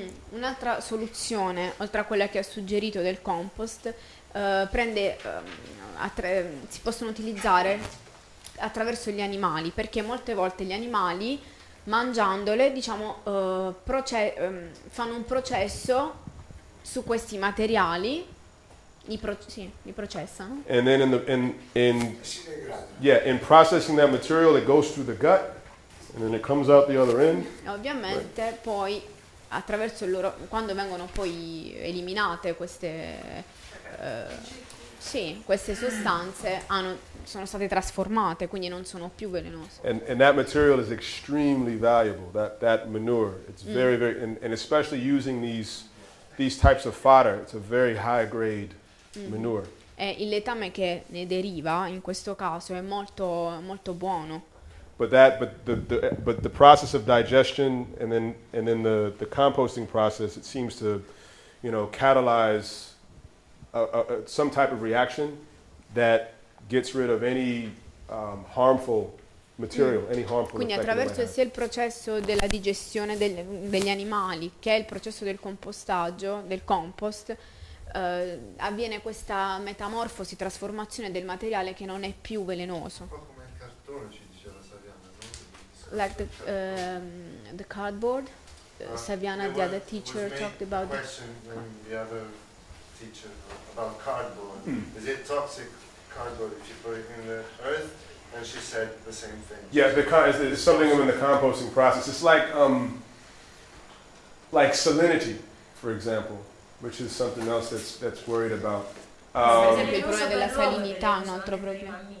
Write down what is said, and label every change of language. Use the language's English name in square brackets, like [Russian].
[Italian] Un'altra soluzione, oltre a quella che ha suggerito del compost, si possono utilizzare attraverso gli animali, perché molte volte gli animali, mangiandole, diciamo, fanno un processo su questi materiali. Li processano. [English] And then in processing that material, it goes through the gut, and then it comes out the other end. [Italian] E ovviamente right. Poi attraverso loro, quando vengono poi eliminate queste sostanze, sono state trasformate, quindi non sono più velenose. [English] And that material is extremely valuable. That manure, it's very very, and especially using these types of fodder, it's a very high grade. Manure. [Italian] E il letame che ne deriva in questo caso è molto molto buono. [English] But the process of digestion and then the composting process, it seems to, you know, catalyze some type of reaction that gets rid of any harmful material, any harmful. [Italian] Quindi attraverso sia il processo della digestione degli animali che è il processo del compostaggio, del compost. Avviene questa metamorfosi, trasformazione del materiale che non è più velenoso. Un po' come il cartone, ci diceva Saviana, no? [English] Like the cardboard, Saviana, the other teacher talked about the question from the other teacher about cardboard. Is it toxic cardboard if you put it in the earth, And she said the same thing. Yeah, because it's something in the composting process. It's like salinity, for example, which is something else that's worried about. [Italian] Il problema della salinità è un altro problema.